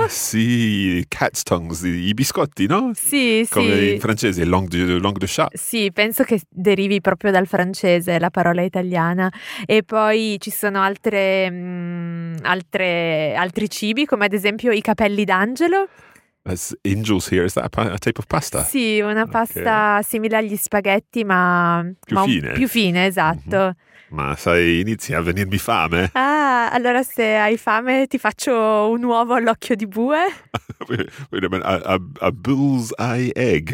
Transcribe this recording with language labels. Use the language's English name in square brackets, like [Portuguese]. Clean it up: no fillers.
[Italian] Ah, sì, [English] cat's tongues, [Italian] i biscotti, no? Sì, come in francese, langue de chat. Sì, penso che derivi proprio dal francese la parola italiana. E poi ci sono altri cibi, come ad esempio i capelli d'angelo. [English] As angels hair, is that a type of pasta? [Italian] Sì, una pasta simile agli spaghetti, ma più fine, esatto. Mm-hmm. Ma sai, inizia a venirmi fame. Ah, allora se hai fame ti faccio un uovo all'occhio di bue. [English] Wait a minute, a bull's eye egg?